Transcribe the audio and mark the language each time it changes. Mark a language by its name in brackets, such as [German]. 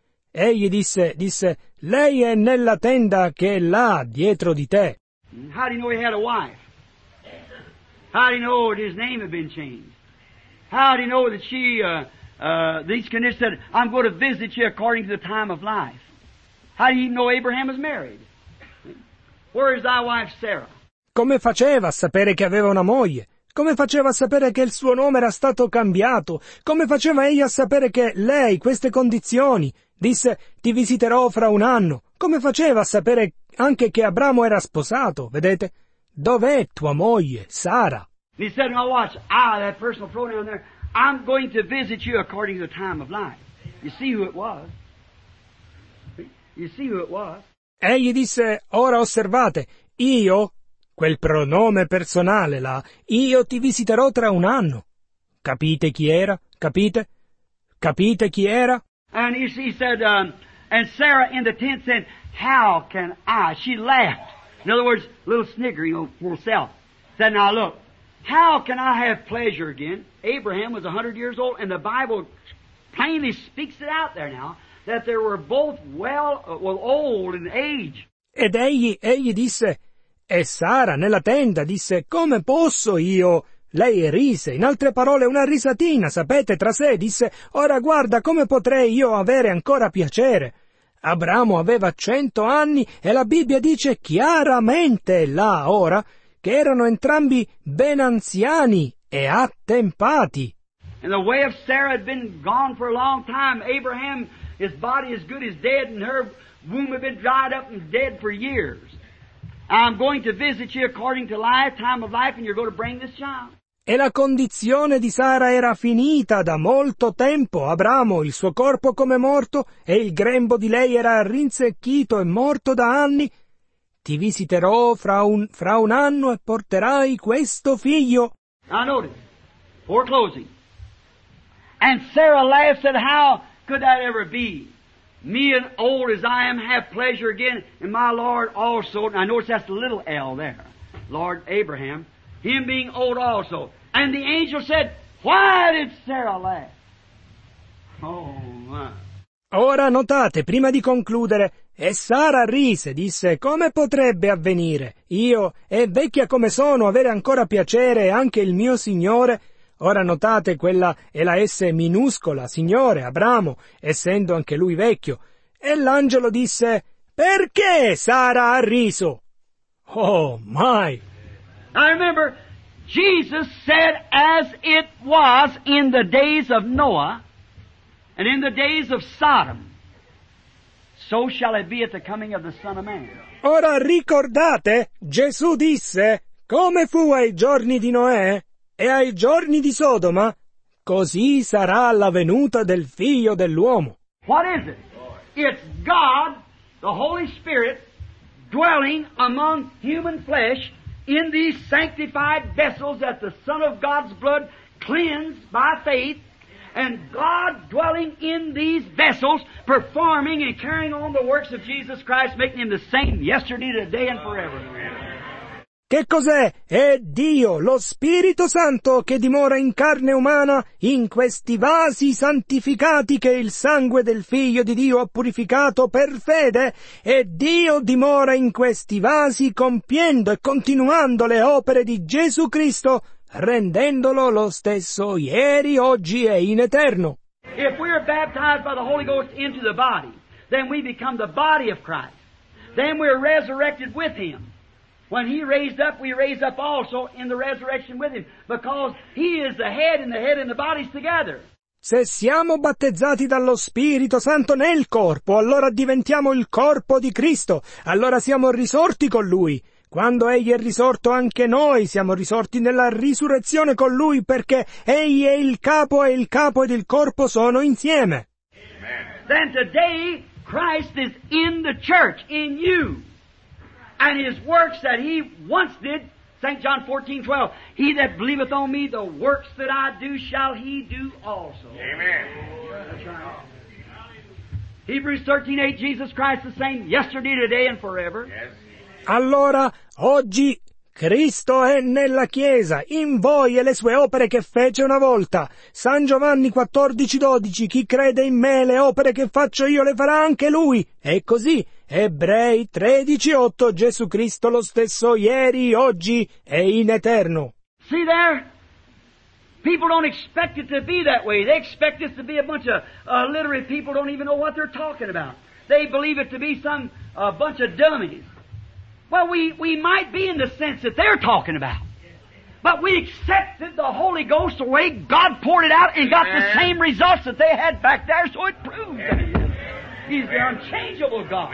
[Italian] Egli disse, lei è nella tenda che è là, dietro di te. [English] How do you know he had a wife? How do you know that his name had been changed? How do you know that these conditions said, I'm going to visit you according to the time of life? How do you even know Abraham is married? Where is thy wife Sarah? [Italian] Come faceva a sapere che aveva una moglie? Come faceva a sapere che il suo nome era stato cambiato? Come faceva egli a sapere che lei, queste condizioni, disse, ti visiterò fra un anno? Come faceva a sapere anche che Abramo era sposato, vedete? Dov'è tua moglie, Sara? [English] He said, now watch, that personal pronoun there, I'm going to visit you according to the time of life. You see who it was? You see who it was? [Italian] Egli disse, ora osservate, io... Quel pronome personale là, io ti visiterò tra un anno. Capite chi era? Capite? Capite chi era? [English] And he said, and Sarah in the tent said, how can I? She laughed. In other words, a little sniggering of herself. Said, now look, how can I have pleasure again? Abraham was 100 years old, and the Bible plainly speaks it out there now, that they were both well old in age. [Italian] Ed egli disse... E Sara, nella tenda, disse, come posso io? Lei rise, in altre parole, una risatina, sapete, tra sé, disse, ora guarda, come potrei io avere ancora piacere? Abramo aveva 100 anni e la Bibbia dice chiaramente là, ora, che erano entrambi ben anziani e attempati. [English] And the way of Sarah had been gone for a long time. Abraham, his body as good as dead, and her womb had been dried up and dead for years. I'm going to visit you according to life, time of life, and you're going to bring this child. [Italian] E la condizione di Sara era finita da molto tempo. Abramo, il suo corpo come morto, e il grembo di lei era rinsecchito e morto da anni. Ti visiterò fra un anno e porterai questo figlio. [English] Now notice, foreclosing. And Sarah laughed, said, how could that ever be? Me and old as I am have pleasure again in my Lord also. And I notice that's the little L there. Lord Abraham. Him being old also. And the angel said, why did Sarah laugh? Oh my. [Italian] Ora notate, prima di concludere, e Sara rise, disse, come potrebbe avvenire? Io, e vecchia come sono, avere ancora piacere anche il mio Signore? Ora notate, quella è la S minuscola, Signore, Abramo, essendo anche lui vecchio. E l'angelo disse, perché Sara ha riso? [English] Oh, my! I remember, Jesus said as it was in the days of Noah and in the days of Sodom, so shall it be at the coming of the Son of Man. [Italian] Ora ricordate, Gesù disse, come fu ai giorni di Noè? E ai giorni di Sodoma, così sarà la venuta del Figlio dell'uomo. [English] What is it? It's God, the Holy Spirit, dwelling among human flesh in these sanctified vessels that the Son of God's blood cleansed by faith, and God dwelling in these vessels, performing and carrying on the works of Jesus Christ, making Him the same yesterday, today, and forever. [Italian] Che cos'è? È Dio, lo Spirito Santo, che dimora in carne umana, in questi vasi santificati che il sangue del Figlio di Dio ha purificato per fede, e Dio dimora in questi vasi compiendo e continuando le opere di Gesù Cristo, rendendolo lo stesso ieri, oggi e in eterno. [English] If we are baptized by the Holy Ghost into the body, then we become the body of Christ. Then we are resurrected with Him. When He raised up, we raised up also in the resurrection with Him, because He is the head and the body is together. [Italian] Se siamo battezzati dallo Spirito Santo nel corpo, allora diventiamo il corpo di Cristo, allora siamo risorti con Lui. Quando Egli è risorto, anche noi siamo risorti nella risurrezione con Lui, perché Egli è il capo e il capo ed il corpo sono insieme. [English] Amen. Then today, Christ is in the church, in you. And His works that He once did, St. John 14:12, He that believeth on Me, the works that I do shall he do also. Amen. That's right. Hebrews 13:8, Jesus Christ the same yesterday, today and forever. Yes. [Italian] Allora, oggi Cristo è nella Chiesa, in voi e le sue opere che fece una volta. San Giovanni 14:12, chi crede in Me, le opere che faccio io le farà anche lui. È così. Ebrei 13:8, Gesù Cristo lo stesso ieri, oggi e in eterno. [English] See there? People don't expect it to be that way. They expect it to be a bunch of illiterate people don't even know what they're talking about. They believe it to be some bunch of dummies. Well, we might be in the sense that they're talking about. But we accepted the Holy Ghost the way God poured it out and got the same results that they had back there, so it proved that He's the unchangeable God.